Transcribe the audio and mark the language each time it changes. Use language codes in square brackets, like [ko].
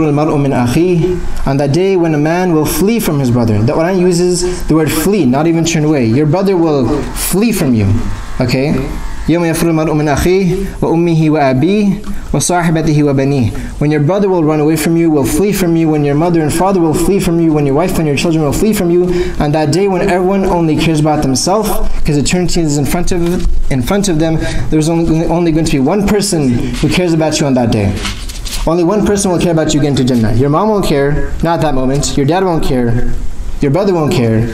[en] On that day when a man will flee from his brother. The Quran uses the word flee, not even turn away. Your brother will flee from you, okay? [ar] يوم يفر المرء من أخيه وأمه وأبيه وصاحبته وبنيه. [en] When your brother will run away from you, will flee from you, when your mother and father will flee from you, when your wife and your children will flee from you, on that day when everyone only cares about themselves, because eternity is in front of them, there's only going to be one person who cares about you on that day. Only one person will care about you again to Jannah. Your mom won't care, not at that moment. Your dad won't care. Your brother won't care.